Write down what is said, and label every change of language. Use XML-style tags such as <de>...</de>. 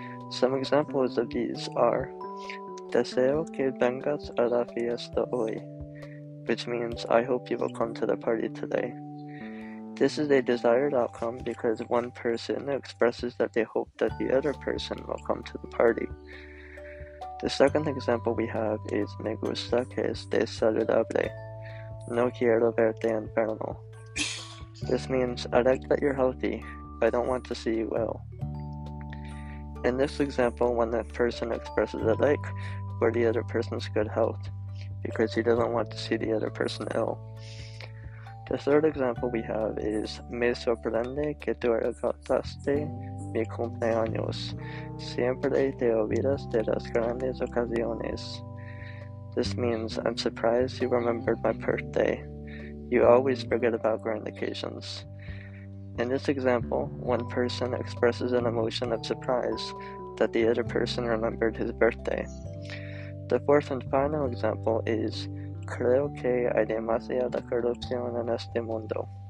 <en>Some examples of these are</en> <es>deseo que vengas a la fiesta hoy,</es> <en>which means I hope you will come to the party today. This is a desired outcome because one person expresses that they hope that the other person will come to the party. The second example we have is</en> <es>me gusta que estés saludable, no quiero verte enfermo.</es> <en>This means I like that you're healthy, but I don't want to see you ill. In this example, when that person expresses a like for the other person's good health, because he doesn't want to see the other person ill. The third example we have is</en> <es>me sorprende que tú regresaste mi cumpleaños. Siempre te olvidas de las grandes ocasiones.</es> <en>This means, I'm surprised you remembered my birthday. You always forget about grand occasions. In this example, one person expresses an emotion of surprise that the other person remembered his birthday. The fourth and final example is</en> <es>creo que hay demasiada corrupción en este mundo.</es>